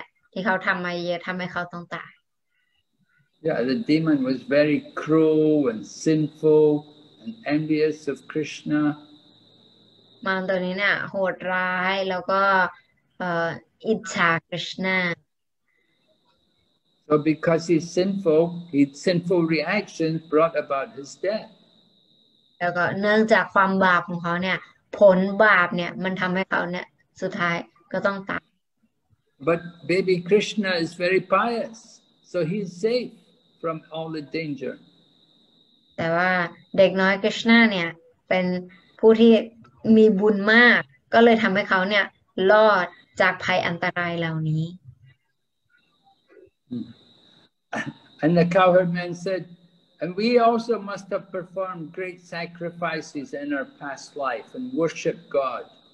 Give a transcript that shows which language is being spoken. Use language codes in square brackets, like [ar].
[th] แล้วเขาก็บอกกันว่าดีแล้วแหละที่มารตัวเนี้ยตายเพราะว่ามารตัวเนี้ยบาปมหันต์ดีละด้วยความบาปของเขาเนี่ยแหละที่เขาทำมาเยอะทำให้เขาต้องตาย [en] Yeah, the demon was very cruel and sinful. And envious of Krishna. [th] มารตัวนี้เนี่ยโหดร้ายแล้วก็อิจฉาคริชนา [en] So because his sinful reactions brought about his death. [th] แล้วก็เนื่องจากความบาปของเขาเนี่ยผลบาปเนี่ยมันทำให้เขาเนี่ยสุดท้ายก็ต้องตาย [en] But baby Krishna is very pious, so he's safe from all the danger. [th] แต่ว่าเด็กน้อยคริชนาเนี่ยเป็นผู้ที่มีบุญมากก็เลยทำให้เขาเนี่ยรอดจากภัยอันตรายเหล่านี้ [en] And the cowherd man said, and we also must have performed great sacrifices in our past life and worshiped God.